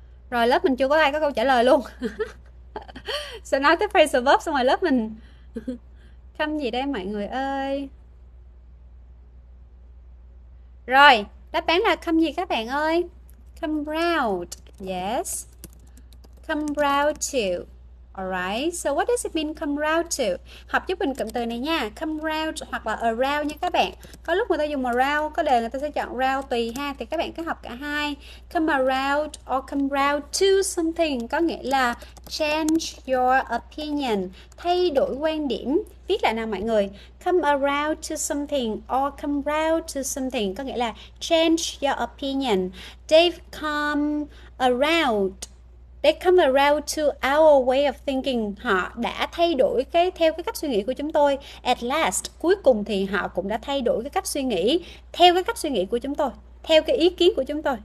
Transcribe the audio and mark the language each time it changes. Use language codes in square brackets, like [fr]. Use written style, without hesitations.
[vi] Rồi lớp mình chưa có ai có câu trả lời luôn. Sẽ nói tới phrasal verb xong rồi lớp mình khâm gì đây mọi người ơi? Rồi, đáp án là khâm gì các bạn ơi? [en] Come round. Yes. Come round to. Alright, so what does it mean come round to? [vi] Học giúp mình cụm từ này nha. Come round hoặc là around nha các bạn. Có lúc người ta dùng around, có đề người ta sẽ chọn round tùy ha. Thì các bạn cứ học cả hai. [en] Come around or come round to something. [vi] Có nghĩa là [en] change your opinion. [vi] Thay đổi quan điểm. Viết lại nào mọi người. [en] Come around to something [vi] or come round to something. Có nghĩa là [en] change your opinion. They've come around. They come around to our way of thinking. [vi] Họ đã thay đổi cái theo cái cách suy nghĩ của chúng tôi. At last, cuối cùng thì họ cũng đã thay đổi cái cách suy nghĩ theo cái cách suy nghĩ của chúng tôi, theo cái ý kiến của chúng tôi.